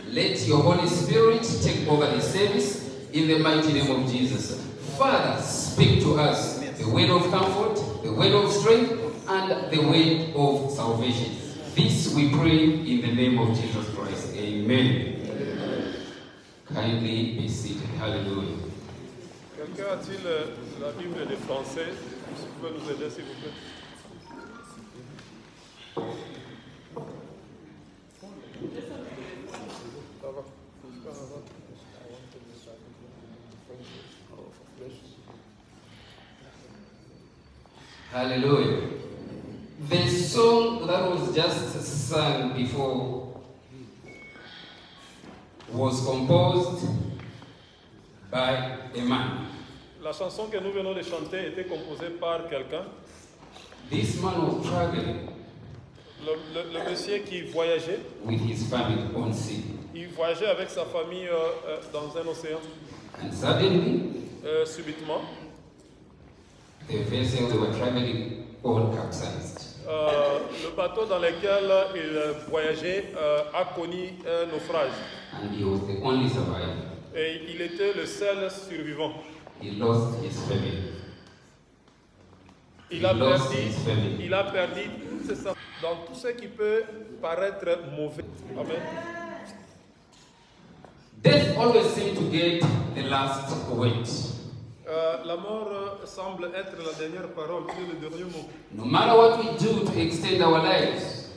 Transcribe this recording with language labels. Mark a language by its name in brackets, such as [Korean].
[English] Let your Holy Spirit take over the service in the mighty name of Jesus. Father, speak to us the word of comfort, the word of strength, and the word of salvation. This we pray in the name of Jesus Christ. Amen. Amen. Kindly be seated. Hallelujah. [French] Quelqu'un a-t-il la Bible des Français? Vous pouvez nous aider, s'il vous plaît. Hallelujah. [English] The song that was just sung before was composed by a man. [French] La chanson que nous venons de chanter était composée par quelqu'un. [English] This man was traveling. [French] Le monsieur qui voyageait. [English] With his family on sea. [French] Il voyageait avec sa famille dans un océan. [English] And suddenly. [French] Subitement. [English] The vessel they were traveling all capsized. [French] Le bateau dans lequel il voyageait a connu un naufrage. [English] And he was the only survivor. [French] Et il était le seul survivant. [English] He lost his family. [French] Il a perdu ça. Dans tout ce qui peut paraître mauvais. Amen. [English] Death always seems to get the last word. [French] La mort semble être la dernière parole, c'est le dernier mot. [English] No matter what we do to extend our lives.